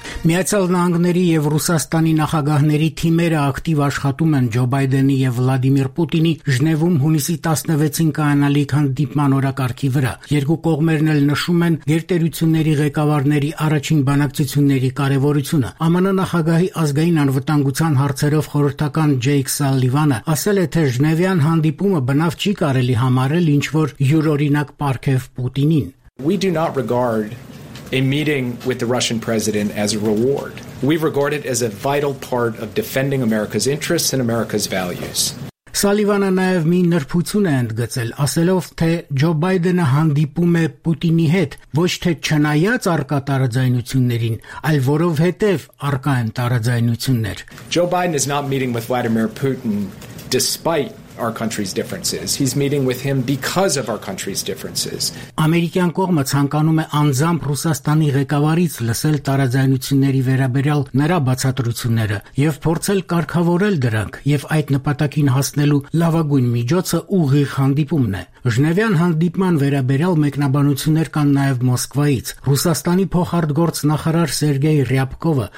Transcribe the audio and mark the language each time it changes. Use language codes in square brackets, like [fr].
[hy] Միացյալ Նահանգների և Ռուսաստանի նախագահների թիմերը ակտիվ աշխատում են Ջո Բայդենի և Վլադիմիր Պուտինի Ժնևում հունիսի 16-ին կայանալիք հանդիպման օրակարգի վրա։ Երկու կողմերն էլ նշում են երկրների ղեկավարների առաջին բանակցությունների կարևորությունը։ ԱՄՆ նախագահի ազգային անվտանգության հարցերով խորհրդական Ջեյք Սալիվանը ասել է, թե Ժնևյան հանդիպումը բնավ չի կարելի համարել ինչ-որ յուրօրինակ պարգև Պուտինին։ [en] A meeting with the Russian president as a reward. We regard it as a vital part of defending America's interests and America's values. [hy] Սալիվանը նաև մի նրբություն է ընդգծել, ասելով, թե Ջո Բայդենը հանդիպում է Պուտինի հետ ոչ թե չնայած առկա տարաձայնություններին, այլ որովհետև առկա են տարաձայնություններ. [en] Joe Biden is not meeting with Vladimir Putin despite our country's differences. He's meeting with him because of our country's differences. [hy] Ամերիկյան կողմը ցանկանում է անձամբ Ռուսաստանի ղեկավարից լսել տարաձայնությունների վերաբերյալ նրա բացատրությունները եւ փորձել կարգավորել դրանք, եւ այդ նպատակին հասնելու լավագույն միջոցը ուղիղ հանդիպումն է։ Ժնևյան հանդիպման վերաբերյալ մեկնաբանություններ կան նաև Մոսկվայից։ Ռուսաստանի փոխարտգործ նախարար Սերգեյ Ռյապկովը